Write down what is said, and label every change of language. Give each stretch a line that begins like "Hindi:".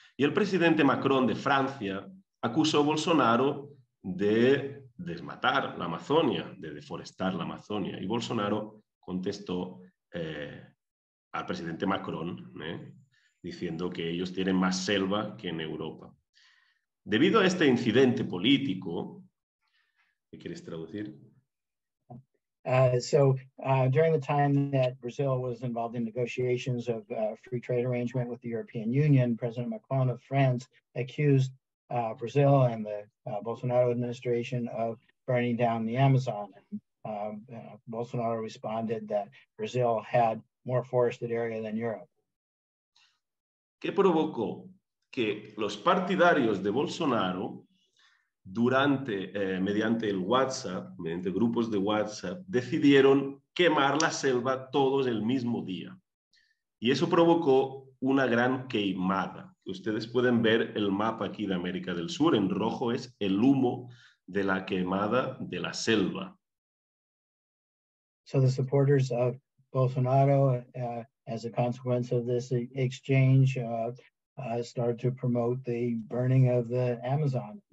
Spanish: Y el presidente Macron de Francia acusó a Bolsonaro de desmatar la Amazonia, de deforestar la Amazonia. Y Bolsonaro contestó al presidente Macron diciendo que ellos tienen más selva que en Europa. Debido a este incidente político, ¿qué quieres traducir?
English: During the time that Brazil was involved in negotiations of a free trade arrangement with the European Union, President Macron of France accused Brazil and the Bolsonaro administration of burning down the Amazon. Bolsonaro responded that Brazil had more forested area than Europe.
Spanish: ¿Qué provocó que los partidarios de Bolsonaro durante, mediante el WhatsApp, mediante grupos de WhatsApp, decidieron quemar la selva todos el mismo día? Y eso provocó una gran queimada. Ustedes pueden ver el mapa aquí de América del Sur, en rojo es el humo de la quemada de la selva.
English: So the supporters of Bolsonaro, as a consequence of this exchange, started to promote the burning of the Amazon.